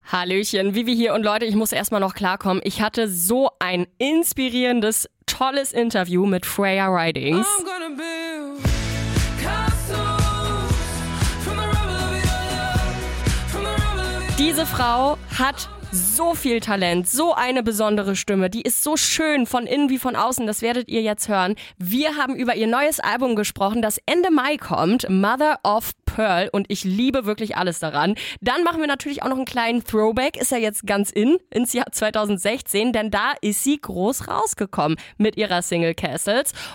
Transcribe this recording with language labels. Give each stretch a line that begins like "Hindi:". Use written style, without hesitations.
German: Hallöchen, Vivi hier und Leute, ich muss erstmal noch klarkommen. Ich hatte so ein inspirierendes, tolles Interview mit Freya Ridings.
English: I'm gonna build castles from the rubble of your love, from the rubble of your love.
German: Diese Frau hat so viel Talent, so eine besondere Stimme, die ist so schön von innen wie von außen, das werdet ihr jetzt hören. Wir haben über ihr neues Album gesprochen, das Ende Mai kommt, Mother of Pearl, und ich liebe wirklich alles daran. Dann machen wir natürlich auch noch einen kleinen Throwback, ist ja jetzt ganz in, ins Jahr 2016, denn da ist sie groß rausgekommen mit ihrer Single Castles.